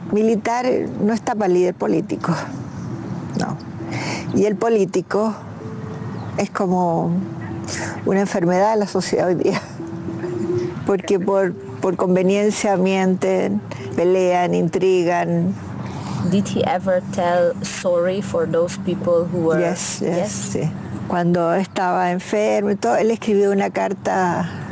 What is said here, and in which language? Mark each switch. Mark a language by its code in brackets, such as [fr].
[es] Militar no está para líder político, no. Y el político es como una enfermedad de la sociedad hoy día, porque por conveniencia mienten, pelean, intrigan. [en] Did he ever tell sorry for those people who were? Yes. [es] Cuando estaba enfermo y todo, él escribió una carta